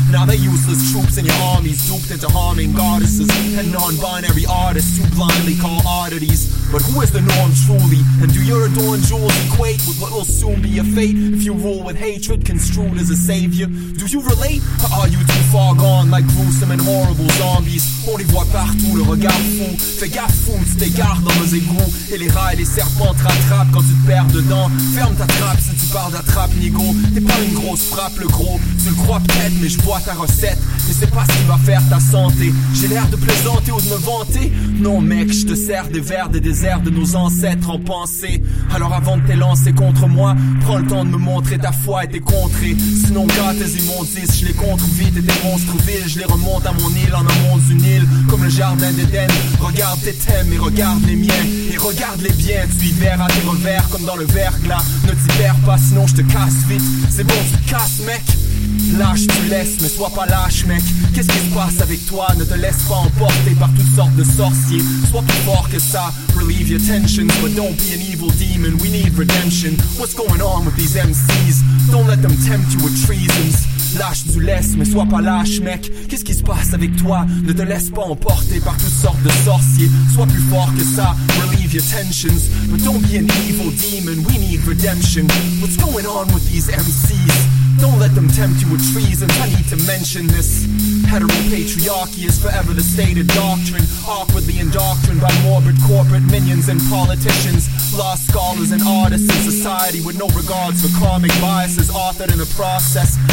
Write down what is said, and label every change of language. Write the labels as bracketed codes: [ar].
[en] Now they're useless troops in your armies, duped into harming goddesses and non-binary artists who blindly call oddities. But who is the norm truly? And do your adorned jewels equate with what will soon be your fate if you rule with hatred construed as a savior? Do you relate? Or are you too far gone like gruesome and horrible zombies? [fr] On y voit partout le regard fou. Fais gaffe fou, tu t'égares dans nos égouts. Et les rats et les serpents te rattrapent quand tu te perds dedans. Ferme ta trappe si tu parles d'attrape, nigo. T'es pas une grosse frappe, le gros. Tu le crois peut-être, mais je bois ta recette. Et c'est pas ce qui va faire ta santé. J'ai l'air de plaisanter ou de me vanter? Non, mec, je te sers des vers des déserts de nos ancêtres en pensée. Alors avant de t'élancer contre moi, prends le temps de me montrer ta foi et tes contrées. Sinon, gars, tes immondices, je les contre vite et tes monstres vides. Je les remonte à mon île en un monde uni. Comme le jardin d'Éden, regarde tes thèmes et regarde les miens. Et regarde les biens, tu y verras tes revers comme dans le verglas. Ne t'y perds pas, sinon je te casse vite. C'est bon, tu casses, mec. Lâche, tu laisses, mais sois pas lâche, mec. Qu'est-ce qui se passe avec toi? Ne te laisse pas emporter par toutes sortes de sorciers. Sois plus fort que ça, [en] relieve your tensions. But don't be an evil demon, we need redemption. What's going on with these MCs? Don't let them tempt you with treasons. [fr] Lâche, tu laisses, mais sois pas lâche, mec. Qu'est-ce qui se passe avec toi? Ne te laisse pas emporter par toutes sortes de sorciers. Sois plus fort que ça, [en] relieve your tensions. But don't be an evil demon, we need redemption. What's going on with these MCs? Don't let them tempt you with treasons. I need to mention this. Heteropatriarchy is forever the stated doctrine, awkwardly indoctrined by morbid corporate minions and politicians, lost scholars and artists in society with no regards for karmic biases authored in the process.